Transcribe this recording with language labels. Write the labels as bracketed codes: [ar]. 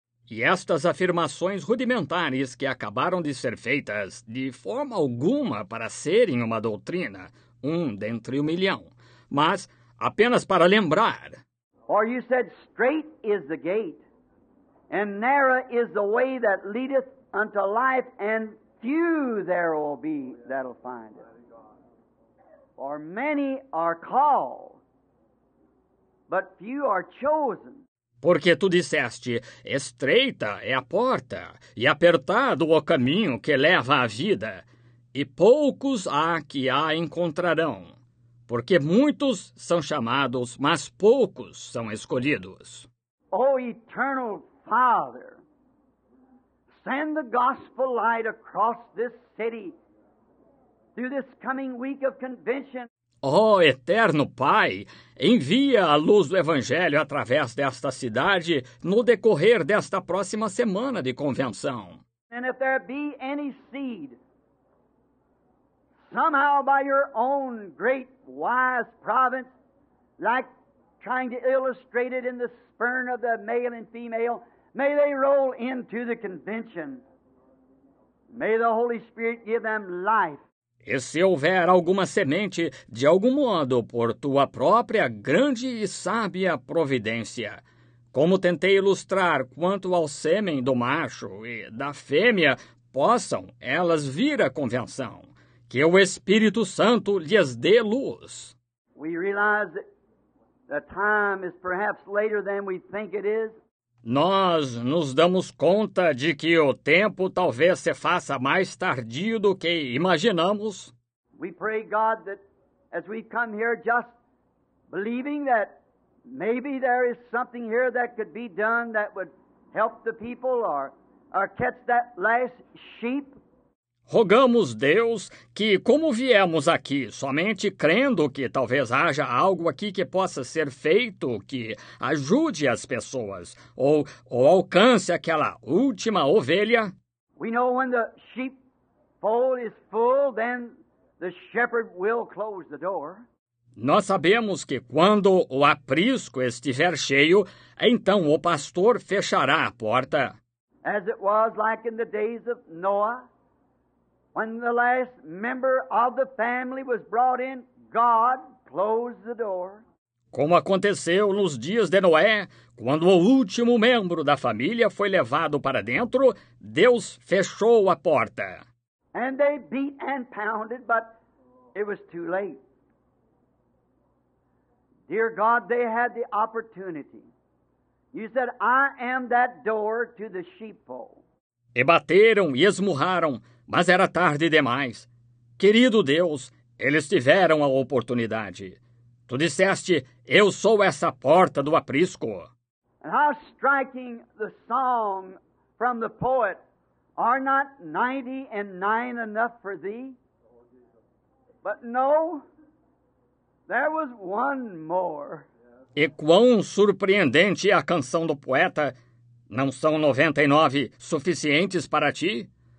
[pt] E estas afirmações rudimentares que acabaram de ser feitas, de forma alguma para serem uma doutrina, um dentre um milhão, mas apenas para lembrar. [en] Or you said, straight is the gate, and narrow is the way that leadeth unto life, and few there will be that'll find it. For many are called, but few are chosen. [pt] Porque tu disseste, estreita é a porta, e apertado o caminho que leva à vida, e poucos há que a encontrarão. Porque muitos são chamados, mas poucos são escolhidos. [en] O Eternal Father, send the gospel light across this city through this coming week of convention. [pt] Oh, Eterno Pai, envia a luz do Evangelho através desta cidade no decorrer desta próxima semana de convenção. [en] And if there be any seed, somehow by your own great wise providence, like trying to illustrate it in the spurn of the male and female, may they roll into the convention. May the Holy Spirit give them life. [pt] E se houver alguma semente, de algum modo, por tua própria grande e sábia providência, Como tentei ilustrar quanto ao sêmen do macho e da fêmea, possam elas vir à convenção. Que o Espírito Santo lhes dê luz. [en] We realize that the time is perhaps later than we think it is. [pt] Nós nos damos conta de que o tempo talvez se faça mais tardio do que imaginamos. [en] We pray God that as we come here just believing that maybe there is something here that could be done that would help the people or catch that last sheep. [pt] Rogamos, Deus, que como viemos aqui somente crendo que talvez haja algo aqui que possa ser feito que ajude as pessoas ou alcance aquela última ovelha. [en] We know when the sheep fold is full, then the shepherd will close the door. [pt] Nós sabemos que quando o aprisco estiver cheio, então o pastor fechará a porta. [en] As it was like in the days of Noah. When the last member of the family was brought in, God closed the door. [pt] Como aconteceu nos dias de Noé, quando o último membro da família foi levado para dentro, Deus fechou a porta. [en] And they beat and pounded, but it was too late. Dear God, they had the opportunity. You said, I am that door to the sheepfold. [pt] E bateram e esmurraram. Mas era tarde demais. Querido Deus, eles tiveram a oportunidade. Tu disseste, eu sou essa porta do aprisco. [en] And how striking the song from the poet, are not 99 enough for thee? But no, there was one more. [pt] E quão surpreendente é a canção do poeta, não são 99 suficientes para ti?